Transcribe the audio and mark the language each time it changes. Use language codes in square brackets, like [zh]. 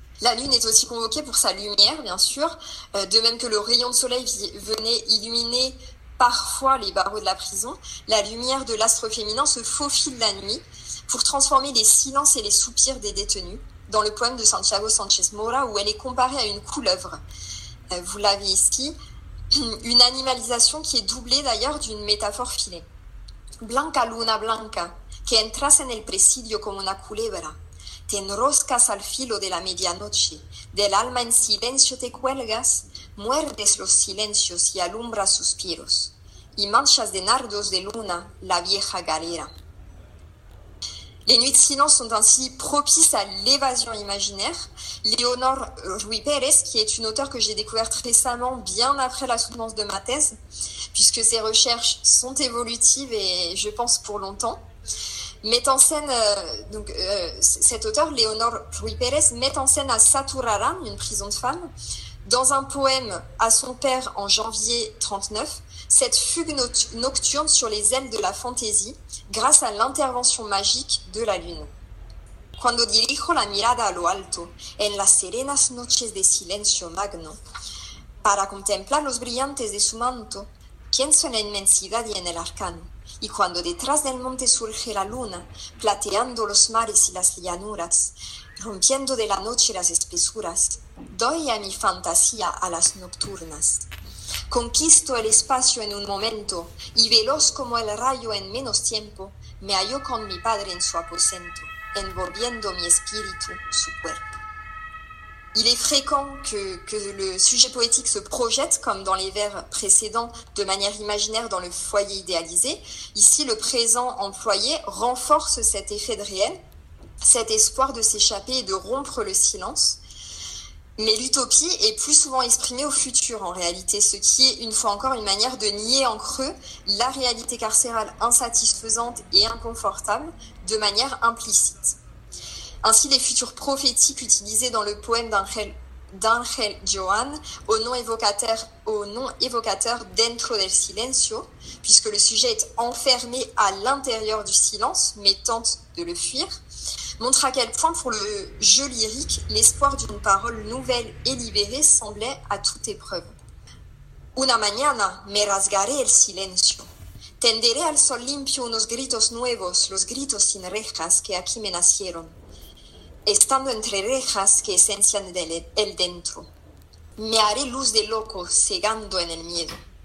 [fr] La lune est aussi convoquée pour sa lumière, bien sûr, de même que le rayon de soleil venait illuminer parfois les barreaux de la prison, la lumière de l'astre féminin se faufile la nuit pour transformer les silences et les soupirs des détenus dans le poème de Santiago Sánchez Mora où elle est comparée à une couleuvre. Vous l'avez ici, une animalisation qui est doublée d'ailleurs d'une métaphore filée. [es] Blanca luna blanca, que entras en el presidio como una culebra, te enroscas al filo de la medianoche, del alma en silencio te cuelgas, muerdes los silencios y alumbras suspiros, y manchas de nardos de luna la vieja galera. [fr] Les nuits de silence sont ainsi propices à l'évasion imaginaire. Léonor Ruy Pérez, qui est une auteure que j'ai découverte récemment, bien après la soutenance de ma thèse, puisque ses recherches sont évolutives et je pense pour longtemps, met en scène, cette auteure, Léonor Ruy Pérez, met en scène à Saturaram, une prison de femmes, dans un poème à son père en janvier 39, cette fugue nocturne sur les ailes de la fantaisie grâce à l'intervention magique de la lune. [es] Cuando dirijo la mirada a lo alto, en las serenas noches de silencio magno, para contemplar los brillantes de su manto, pienso en la inmensidad y en el arcano, y cuando detrás del monte surge la luna, plateando los mares y las llanuras, rompiendo de la noche las espesuras, doy a mi fantasía a las nocturnas. Conquisto el espacio en un momento, y veloz como el rayo en menos tiempo, me halló con mi padre en su aposento, envolviendo mi espíritu, su cuerpo. [fr] Il est fréquent que le sujet poétique se projette, comme dans les vers précédents, de manière imaginaire dans le foyer idéalisé. Ici, le présent employé renforce cet effet de réel, cet espoir de s'échapper et de rompre le silence. Mais l'utopie est plus souvent exprimée au futur, en réalité, ce qui est, une fois encore, une manière de nier en creux la réalité carcérale insatisfaisante et inconfortable de manière implicite. Ainsi, les futurs prophétiques utilisés dans le poème d'Angel Joan au nom évocateur « Dentro del silencio », puisque le sujet est enfermé à l'intérieur du silence, mais tente de le fuir, montre à quel point, pour le jeu lyrique, l'espoir d'une parole nouvelle et libérée semblait à toute épreuve. [es] « Una mañana me rasgaré el silencio. Tenderé al sol limpio unos gritos nuevos, los gritos sin rejas que aquí me nacieron. » Estando entre rejas que esencian el dentro. Me haré luz de loco, cegando en el miedo.